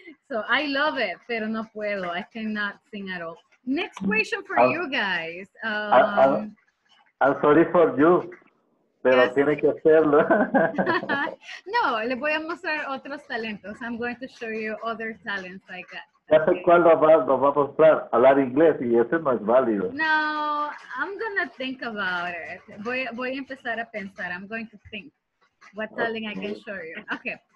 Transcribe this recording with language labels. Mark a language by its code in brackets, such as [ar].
[en] So I love it, [es] pero no puedo. [en] I cannot sing at all. Next question for you guys. I'm sorry for you. Pero yes. [es] Tiene que hacerlo. No, le voy a mostrar otros talentos. [en] I'm going to show you other talents like that. [es] Ya sé cuál lo va a mostrar, hablar inglés, y ese no es válido. [en] No, I'm going to think about it. [es] Voy a empezar a pensar. [en] I'm going to think what talent I can show you. Okay.